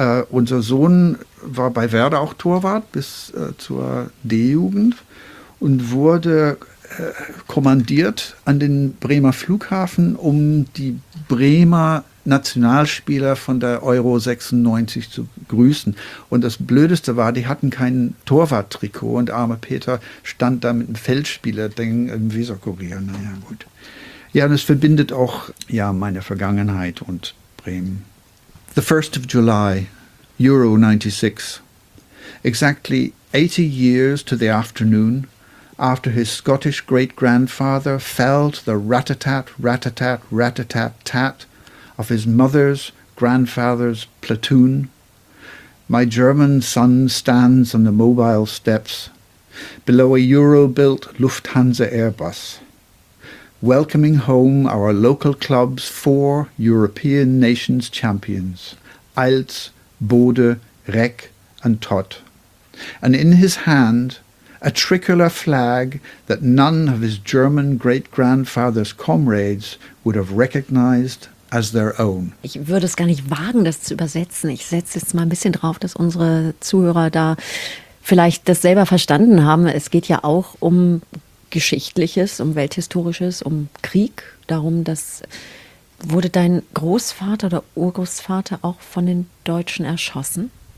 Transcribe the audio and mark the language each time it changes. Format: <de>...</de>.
<de>Unser Sohn war bei Werder auch Torwart bis zur D-Jugend und wurde kommandiert an den Bremer Flughafen, um die Bremer Nationalspieler von der Euro 96 zu grüßen. Und das Blödeste war, die hatten kein Torwarttrikot und arme Peter stand da mit einem Feldspieler-Ding im Weserkurier. Naja, gut. Ja, und es verbindet auch ja, meine Vergangenheit und Bremen.</de> <en>The 1st of July, Euro 96. Exactly 80 years to the afternoon after his Scottish great-grandfather fell to the rat-a-tat, rat-a-tat, rat-a-tat-tat of his mother's grandfather's platoon, my German son stands on the mobile steps below a Euro-built Lufthansa Airbus, welcoming home our local club's four European nations champions, Eils, Bode, Reck and Tott. And in his hand, a tricolour flag that none of his German great-grandfather's comrades would have recognized as their own.</en> <de>Ich würde es gar nicht wagen, das zu übersetzen. Ich setze jetzt mal ein bisschen drauf, dass unsere Zuhörer da vielleicht das selber verstanden haben. Es geht ja auch um Geschichtliches, um Welthistorisches, um Krieg, darum, dass wurde dein Großvater oder Urgroßvater auch von den Deutschen erschossen?</de>